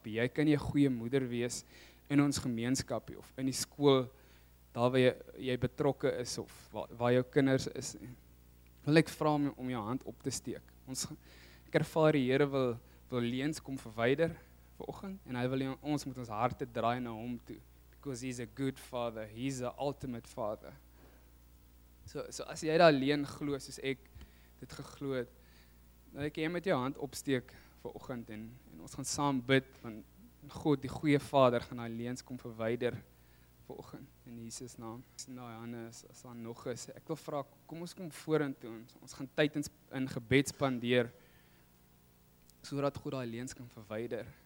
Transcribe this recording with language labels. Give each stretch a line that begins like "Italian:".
Afrikaans: Jy kan nie 'n goeie moeder wees in ons gemeenskap of in die skool daar waar jy betrokke is of waar jou kinders is. Wil ek vra om jou hand op te steek. Ek ervaar die Here wil leens kom verwyder vir oggend en hy wil ons moet ons harte draai na hom toe.
English: Because he's a good father, he's the ultimate father.
Afrikaans: So as jy daai leen glo soos ek dit geglo het, wil ek jy met jou hand opsteek vir oggend en ons gaan saam bid want God, die goeie vader, gaan daai leens kom verwyder vir oggend in Jesus naam. Daai hande is as daar nog is, ek wil vra, kom ons kom vorentoe, ons gaan tyd in gebed spandeer sodat God daai leens kan verwyder.